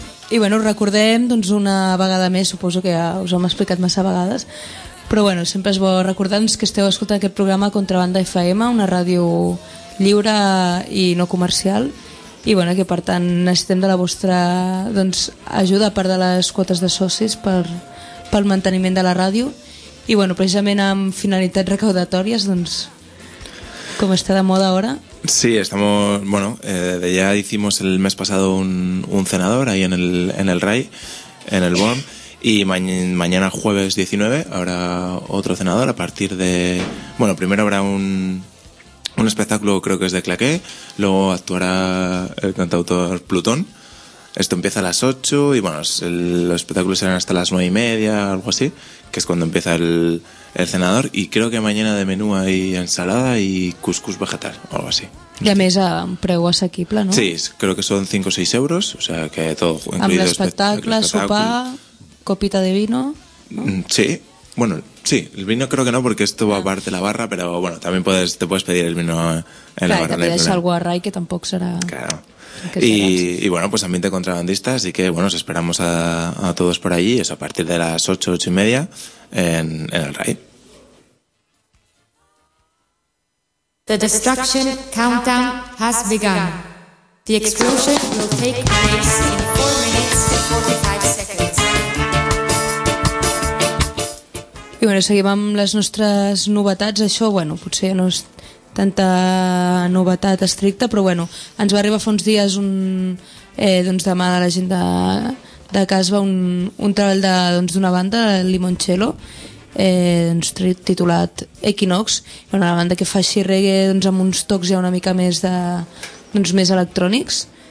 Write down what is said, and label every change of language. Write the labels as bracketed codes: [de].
[ca] I bueno, recordem doncs una vegada més, suposo que ja us ho hem explicat massa vegades, però bueno, sempre és bo recordar-nos que esteu escoltant aquest programa Contrabanda FM, una ràdio lliure i no comercial, i bueno, que per tant necessitem de la vostra doncs, ajuda a part de les quotes de socis pel manteniment de la ràdio, i bueno, precisament amb finalitats recaudatòries, doncs, com està de moda ara. [es] Sí, estamos, bueno, ya hicimos el mes pasado un cenador ahí en el RAI, en el BOM, y mañana jueves 19 habrá otro cenador a partir de, bueno, primero habrá un espectáculo, creo que es de claqué, luego actuará el cantautor Plutón, esto empieza a las 8 y bueno, los espectáculos serán hasta las 9 y media, algo así, que es cuando empieza el cenador, y creo que mañana de menú hay ensalada y cuscús vegetal o algo así. [ca] Y a mesa preu asequible, ¿no? [es] Sí, creo que son 5 o 6 euros, o sea que todo incluido. [ca] Amb espectacle, sopar, [es] copita de vino, ¿no? Sí, bueno, sí, el vino creo que no porque esto va aparte la barra, pero bueno, también te puedes pedir el vino en claro, la barra. Claro, te pides algo a Rai que tampoco será... Claro. Y bueno, pues ambiente contrabandista, así que bueno, os esperamos a todos por allí, eso a partir de las 8, 8 y media en el RAI. [en] The destruction countdown has begun. The explosion will take place in 4 minutes and 45 seconds. [ca] I bueno, seguim amb les nostres novetats. Això, bueno, potser ja no és tanta novetat estricta, però bueno, ens va arribar fa uns dies un, doncs demà de la gent de Casba un treball de, doncs d'una banda, Limoncello, doncs titulat Equinox, una banda que fa així reggae doncs amb uns tocs ja una mica més de, doncs més electrònics,